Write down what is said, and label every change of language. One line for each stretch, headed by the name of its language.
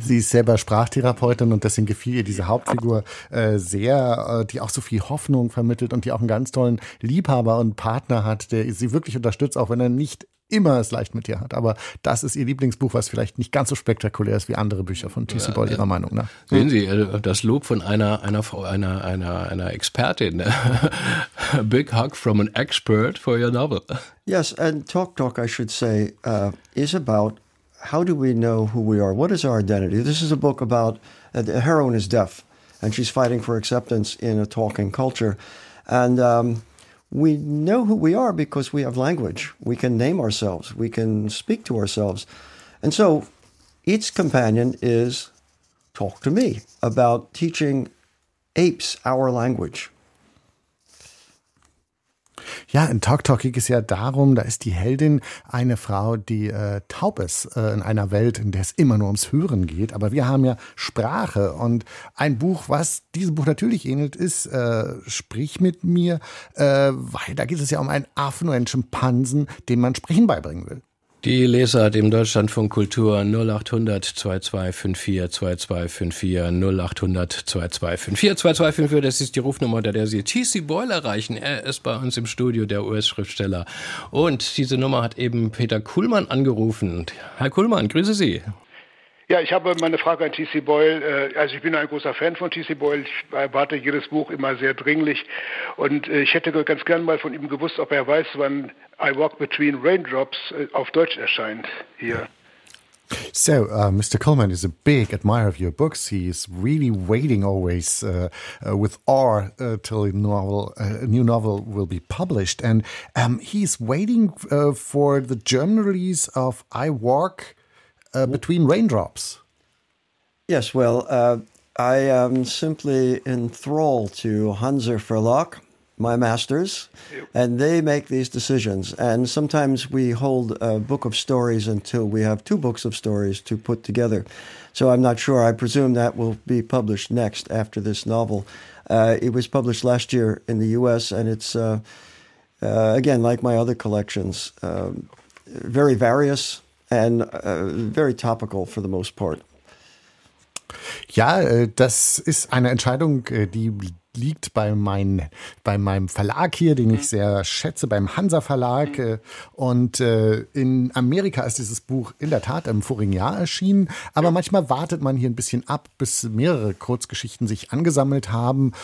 German: Sie ist selber Sprachtherapeutin und deswegen gefiel ihr diese Hauptfigur sehr, die auch so viel Hoffnung vermittelt und die auch einen ganz tollen Liebhaber und Partner hat, der sie wirklich unterstützt, auch wenn er nicht immer es leicht mit ihr hat. Aber das ist ihr Lieblingsbuch, was vielleicht nicht ganz so spektakulär ist wie andere Bücher von TC Boyle, ihrer Meinung nach. Sehen Sie, das Lob von einer Expertin.
English: A big hug from an expert for your novel. Yes, and Talk Talk, I should say, is about how do we know who we are? What is our identity? This is a book about, the heroine is deaf, and she's fighting for acceptance in a talking culture. And we know who we are because we have language. We can name ourselves. We can speak to ourselves. And so its companion is Talk to Me, about teaching apes our language.
German: Ja, in Talk Talk geht es ja darum, da ist die Heldin eine Frau, die taub ist in einer Welt, in der es immer nur ums Hören geht. Aber wir haben ja Sprache und ein Buch, was diesem Buch natürlich ähnelt, ist Sprich mit mir, weil da geht es ja um einen Affen oder einen Schimpansen, dem man Sprechen beibringen will. Die Leser hat im Deutschlandfunk Kultur 0800 2254 2254 0800 2254 2254, das ist die Rufnummer, unter der Sie TC Boyle erreichen. Er ist bei uns im Studio, der US-Schriftsteller. Und diese Nummer hat eben Peter Kuhlmann angerufen. Herr Kuhlmann, grüße Sie. Ja, ich habe meine Frage an TC Boyle. Also ich bin ein großer Fan von TC Boyle. Ich erwarte jedes Buch immer sehr dringlich. Und ich hätte ganz gern mal von ihm gewusst, ob er weiß, wann I Walk Between Raindrops auf Deutsch erscheint hier.
English: So, Mr. Kuhlmann is a big admirer of your books. He is really waiting always with awe till a new novel will be published. And he's waiting for the German release of I Walk Between Raindrops. Yes, well, I am simply enthralled to Hanser Verlag, my masters, and they make these decisions. And sometimes we hold a book of stories until we have two books of stories to put together. So I'm not sure. I presume that will be published next after this novel. It was published last year in the U.S., and it's, again, like my other collections, very various and very topical for the most part.
German: Ja, das ist eine Entscheidung, die liegt bei meinem Verlag hier, den ich sehr schätze, beim Hansa Verlag. Und in Amerika ist dieses Buch in der Tat im vorigen Jahr erschienen. Aber manchmal wartet man hier ein bisschen ab, bis mehrere Kurzgeschichten sich angesammelt haben.